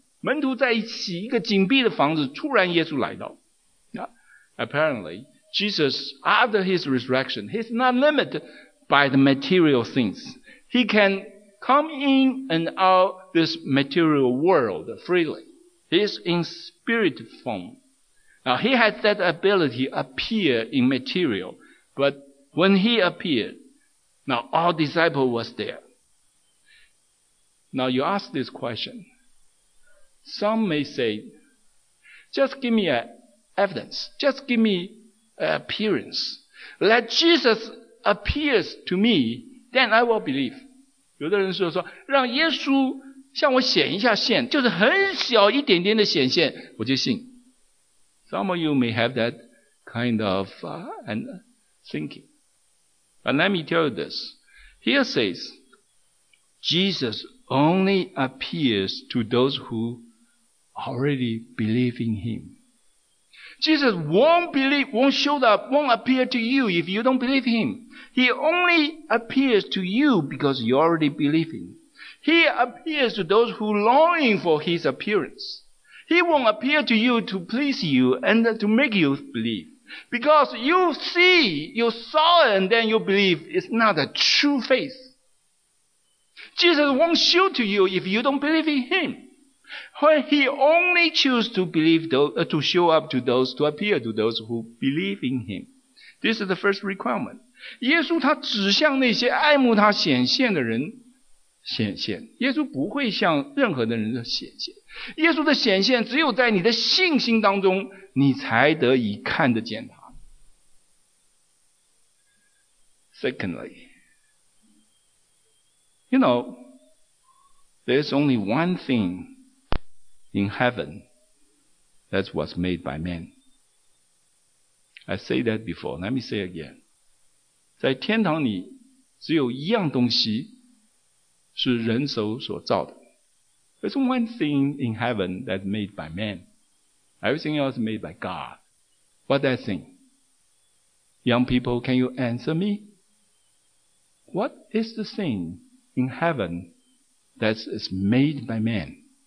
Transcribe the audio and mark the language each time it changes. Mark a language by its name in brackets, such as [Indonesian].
[Chinese] 门徒在一起，一个紧闭的房子，突然耶稣来到。 [English] Apparently, Jesus, after his resurrection, he's not limited by the material things. He can come in and out this material world freely. He's in spirit form. Now, he had that ability to appear in material. But when he appeared, now all disciples was there. Now you ask this question. Some may say, just give me evidence. Just give me an appearance. Let Jesus appears to me, then I will believe. [Chinese] 有的人说说让耶稣向我显一下现，就是很小一点点的显现，我就信。 [English] Some of you may have that kind of thinking. But let me tell you this. Here says, Jesus only appears to those who already believe in him. Jesus won't show up, won't appear to you if you don't believe him. He only appears to you because you already believe him. He appears to those who longing for his appearance. He won't appear to you to please you and to make you believe. Because you see, you saw it and then you believe it's not a true faith. Jesus won't show to you if you don't believe in him. He only choose to believe to show up to those, to appear to those who believe in him. This is the first requirement. [Chinese] 耶稣他只向那些爱慕他显现的人显现。耶稣不会向任何的人显现。耶稣的显现只有在你的信心当中，你才得以看得见他。 [English] Secondly,You know, there's only one thing in heaven that was made by man. I say that before, let me say again. [Chinese] 在天堂里只有一样东西是人手所造的。 [English] There's one thing in heaven that's made by man. Everything else is made by God. What's that thing? Young people, can you answer me? What is the thing? In heaven, that is made by man.